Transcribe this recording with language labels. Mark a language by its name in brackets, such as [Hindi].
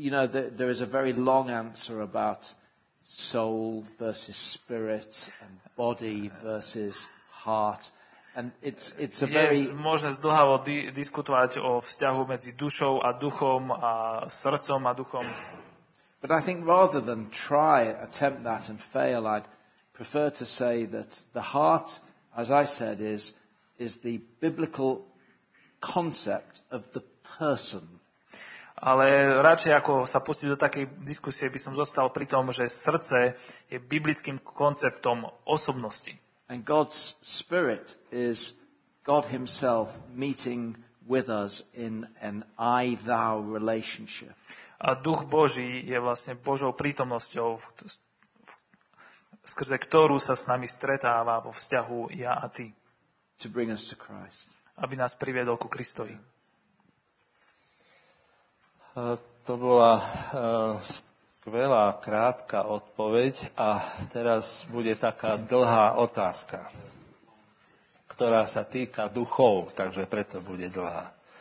[English] There is a very long answer about soul versus spirit and body versus heart. And it's a very [Slovak] možno zdlhavo diskutovať o vzťahu medzi dušou a duchom a srdcom a duchom. [English] But I think rather than try attempt that and fail, I'd prefer to say that the heart, as I said, is the biblical concept of the person. [Slovak] Ale radšej ako sa pustiť do takej diskusie, by som zostal pri tom, že srdce je biblickým konceptom osobnosti. [English] And God's spirit is God himself meeting with us in an I-thou relationship. [Slovak] A duch Boží je vlastne Božou prítomnosťou, skrze ktorú sa s nami stretáva vo vzťahu ja a ty. [English] To bring us to Christ. [Slovak] Aby nás priviedol ku Kristovi. To bola skvelá krátka odpoveď a teraz bude taká dlhá otázka, ktorá sa týka duchov, takže preto bude dlhá.